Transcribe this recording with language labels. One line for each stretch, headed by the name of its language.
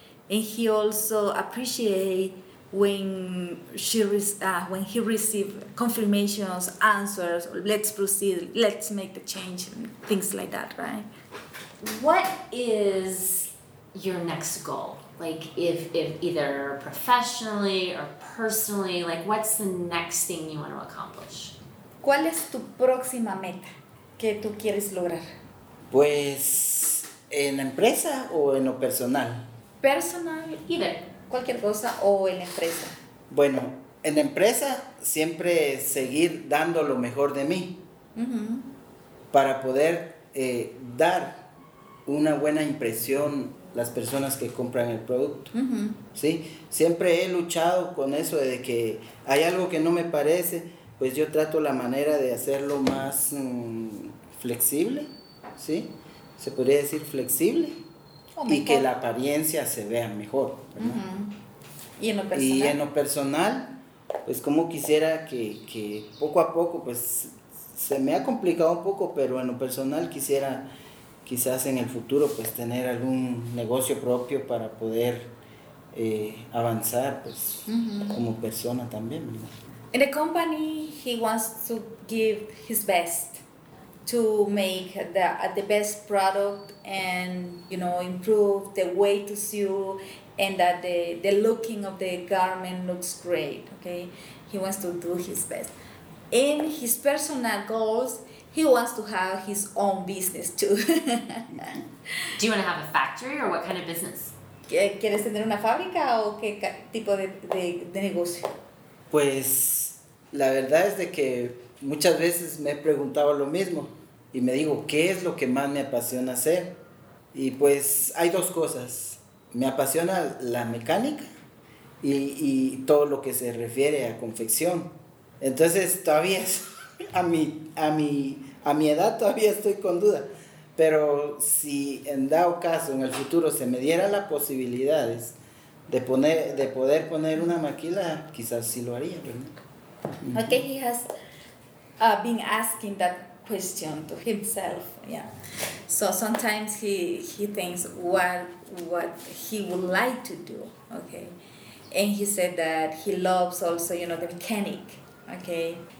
English: And he also appreciate when he receive confirmations, answers, let's proceed, let's make the change, and things like that, right? What is your next goal? Like, if either professionally or personally, like, what's the next thing you want to accomplish?
Spanish: ¿Cuál es tu próxima meta que tú quieres lograr? Pues, ¿en la empresa o en lo personal?
English: Personal, either.
Spanish: Cualquier cosa o en la empresa. Bueno, en la empresa siempre seguir dando lo mejor de mí. Para poder dar una buena impresión a las personas que compran el producto. ¿Sí? Siempre he luchado con eso de que hay algo que no me parece, pues yo trato la manera de hacerlo más flexible, ¿sí? Se podría decir flexible. Y que la apariencia se vea mejor. ¿Y en lo personal? Y en lo personal, pues como quisiera que poco a poco, pues se me ha complicado un poco, pero en lo personal quisiera quizás en el futuro pues tener algún negocio propio para poder avanzar pues como persona también.
English: In the company, he wants to give his best to make the best product and, you know, improve the way to sew and that the looking of the garment looks great, okay? He wants to do his best. In his personal goals, he wants to have his own business too. Do you want to have a factory or what kind of business?
Spanish: ¿Quieres tener una fábrica o qué tipo de negocio? Pues, la verdad es de que muchas veces me he preguntado lo mismo y me digo, ¿qué es lo que más me apasiona hacer? Y pues, hay dos cosas. Me apasiona la mecánica y todo lo que se refiere a confección. Entonces, todavía es, a mi edad todavía estoy con duda. Pero si en dado caso, en el futuro, se me diera las posibilidades de poder poner una maquila, quizás sí lo haría, ¿verdad?
English: Okay, he has been asking that question to himself, yeah. So sometimes he thinks what he would like to do, okay. And he said that he loves also, you know, the mechanic, okay.